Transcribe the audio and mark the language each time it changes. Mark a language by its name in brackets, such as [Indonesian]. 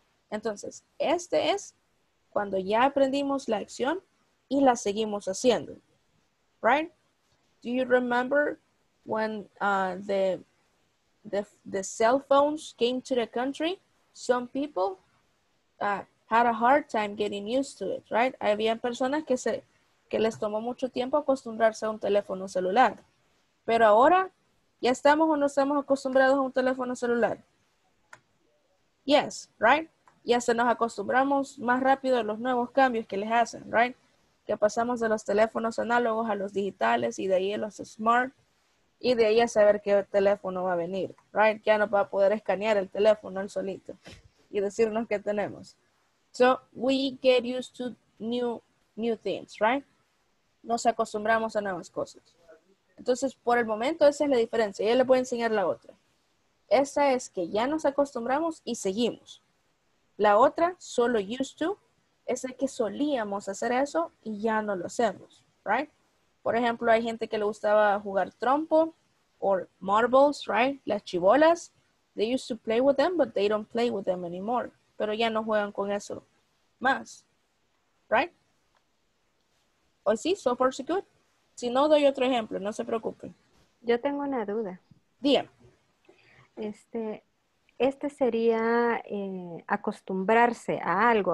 [Spanish] Entonces, este es cuando ya aprendimos la acción y la seguimos haciendo, right? [English] Do you remember when the cell phones came to the country? Some people had a hard time getting used to it, right? [Spanish] Había personas que les tomó mucho tiempo acostumbrarse a un teléfono celular. Pero ahora, ¿ya estamos o no estamos acostumbrados a un teléfono celular? [English] Yes, right? [Spanish] Ya se nos acostumbramos más rápido a los nuevos cambios que les hacen, right? Que pasamos de los teléfonos análogos a los digitales y de ahí a los smart. Y de ahí a saber qué teléfono va a venir, right? Ya no va a poder escanear el teléfono él solito y decirnos qué tenemos. [English] So, we get used to new things, right? [Spanish] Nos acostumbramos a nuevas cosas. Entonces, por el momento, esa es la diferencia. Ya le voy a enseñar la otra. Esa es que ya nos acostumbramos y seguimos. La otra, solo used to, es el que solíamos hacer eso y ya no lo hacemos, right? Por ejemplo, hay gente que le gustaba jugar trompo o marbles, right? Las chibolas. [English] They used to play with them, but they don't play with them anymore. [Spanish] Pero ya no juegan con eso más, right? ¿O sí? [English] So far, so good. [Spanish] Si no, doy otro ejemplo. No se preocupen. Yo tengo una duda. Dígame. Este sería acostumbrarse a algo.